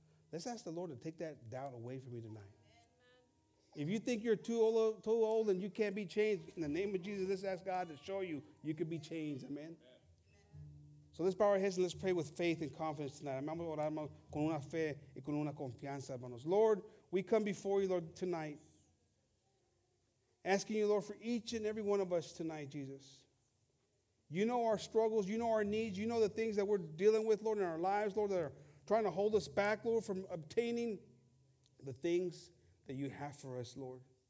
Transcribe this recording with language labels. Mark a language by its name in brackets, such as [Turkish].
[English] Let's ask the Lord to take that doubt away from you tonight. If you think you're too old and you can't be changed, in the name of Jesus, let's ask God to show you you can be changed. Amen? Amen. So let's bow our heads and let's pray with faith and confidence tonight. [Spanish] Vamos a orar con una fe y con una confianza, hermanos. [English] Lord, we come before you, Lord, tonight, asking you, Lord, for each and every one of us tonight, Jesus. You know our struggles. You know our needs. You know the things that we're dealing with, Lord, in our lives, Lord, that are trying to hold us back, Lord, from obtaining the things that you have for us, Lord.